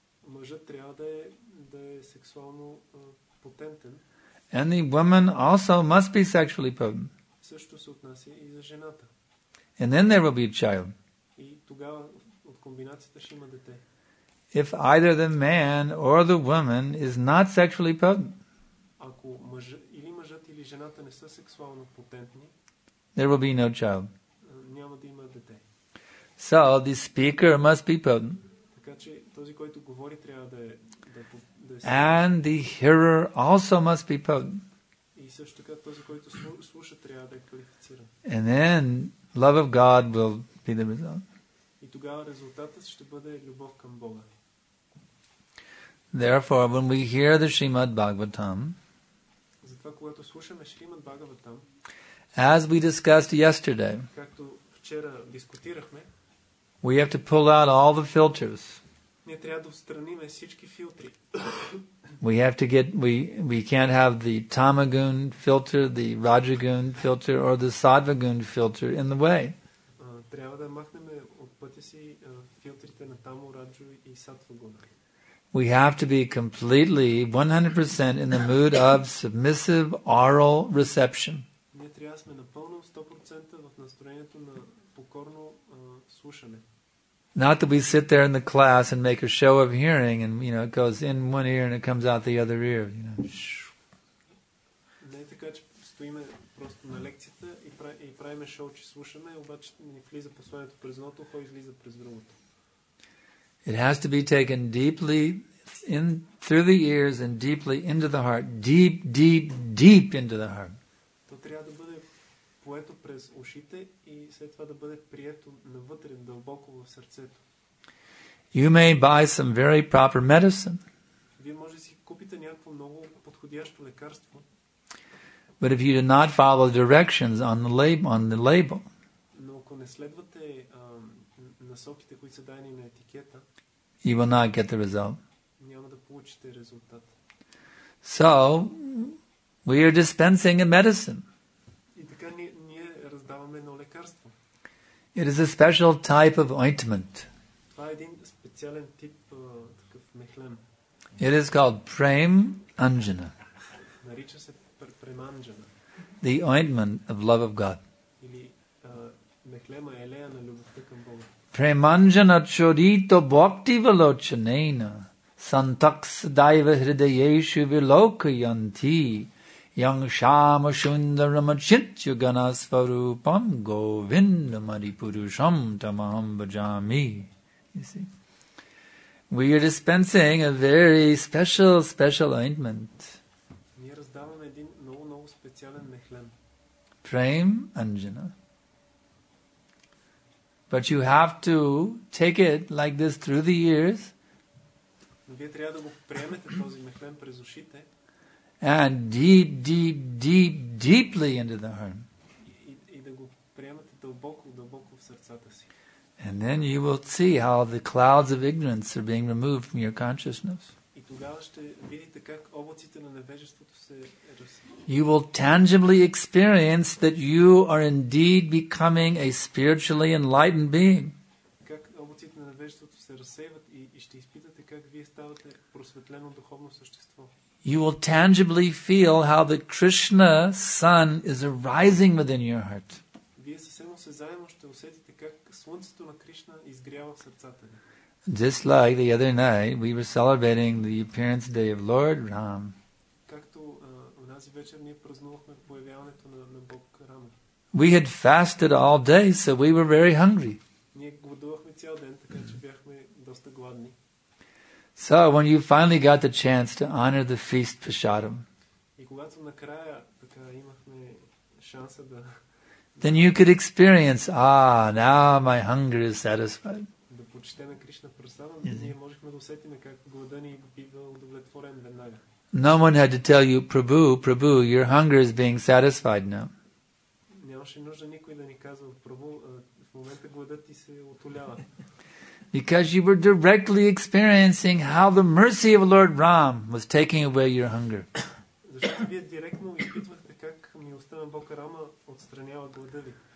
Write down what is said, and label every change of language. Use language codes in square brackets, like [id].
[bg] Мъжът трябва да е сексуално потентен. [en] And the woman also must be sexually potent. [bg] Също се отнася и за жената. [en] And then there will be a child. [bg] И тогава от комбинацията ще има дете. [en] If either the man or the woman is not sexually potent, [bg] ако мъжът или жената не са сексуално потентни, [en] there will be no child. [bg] Няма да има дете. [en] So the speaker must be potent. [bg] Така че този, който говори, трябва да е. [en] And the hearer also must be potent. [bg] И също така този, който слуша, трябва да е квалифициран. [en] And then love of God will be the result. [bg] И тогава резултатът ще бъде любов към Бога. [en] Therefore, when we hear the Srimad Bhagavatam, [bg] затова когато слушаме Шримад Бхагаватам, [en] as we discussed yesterday, [bg] както вчера дискутирахме, [en] we have to pull out all the filters. [bg] Ние трябва да отстраним всички филтри. [en] We can't have the tamagun filter, the rajagun filter or the sattvagun filter in the way. [bg] Трябва да махнем от пътя си филтрите на тамо, раджо и сатвагун. [en] We have to be completely 100% in the mood of submissive oral reception. [bg] Ние трябва да сме напълно 100% в настроението на покорно слушане. [en] Not that we sit there in the class and make a show of hearing and, you know, it goes in one ear and it comes out the other ear, you know. [bg] Не така, че стоиме просто на лекцията и правиме шоу, че слушаме, обаче ни влиза посланието през едното, хой излиза през другото. [en] It has to be taken deeply in through the ears and deeply into the heart. Deep, deep, deep into the heart. [bg] То трябва да бъде поето през ушите и след това да бъде прието навътре, дълбоко в сърцето. [en] You may buy some very proper medicine. [bg] Вие може да си купите някакво много подходящо лекарство. [en] But if you do not follow directions on the label, [bg] Но ако не следвате насоките, които са дадени на етикета, [en] you will not get the result. [bg] Няма да получите резултат. [en] So, we are dispensing a medicine. [bg] И така ние раздаваме едно лекарство. [en] It is a special type of ointment. [bg] Това е един специален тип такъв мехлем. [en] It is called Prem Anjana. [bg] Нарича се Prem Anjana. [en] The ointment of love of God. [bg] Или мехлема елея на любовта към Бога. [sa] Преманжана чорито бхакти валочанена сантакс дайва хридаешу вилокаянти ян шам шундарам чинчу гана сварупам говинда марипурушам тамахам баджами. [en] You see, we are dispensing a very special ointment. [bg] Ние раздаваме един много специален мехлем. Преманжана. [en] But you have to take it like this through the years. [bg] Вие трябва да го приемете този мехлем през ушите. [en] And deeply into the heart. [bg] И да го приемете дълбоко в сърцата си. [en] And then you will see how the clouds of ignorance are being removed from your consciousness. [bg] И тогава ще видите как облаците на невежеството се [en] You will tangibly experience that you are indeed becoming a spiritually enlightened being. [bg] Как облаците на невежеството се разсейват и ще изпитате как вие ставате просветлено духовно същество. [en] You will tangibly feel how the Krishna sun is arising within your heart. [bg] Вие съвсем осезаемо ще усетите как слънцето на Кришна изгрява в сърцата ви. [en] Just like the other night, we were celebrating the appearance day of Lord Ram. [bg] Както онази вечер ние празнувахме появяването на Бог Рама. [en] We had fasted all day, so we were very hungry. [bg] Ние гладувахме цял ден, така че бяхме доста гладни. [en] So when you finally got the chance to honor the feast Pashadam, [bg] и когато накрая така имахме шанса да [en] then you could experience, ah, now my hunger is satisfied. [bg] Почитаме Кришна Прасада, но ние можехме да усетиме как глада ни бива удовлетворен веднага. [en] No one had to tell you, Prabhu, your hunger is being satisfied now. [bg] Нямаше нужда никой да ни казва, Прабу, в момента гладът ти се отолява. [en] Because you were directly experiencing how the mercy of Lord Ram was taking away your hunger. [bg] Защото вие директно изпитвахте как милостта на Бог Рама отстранява глада ви.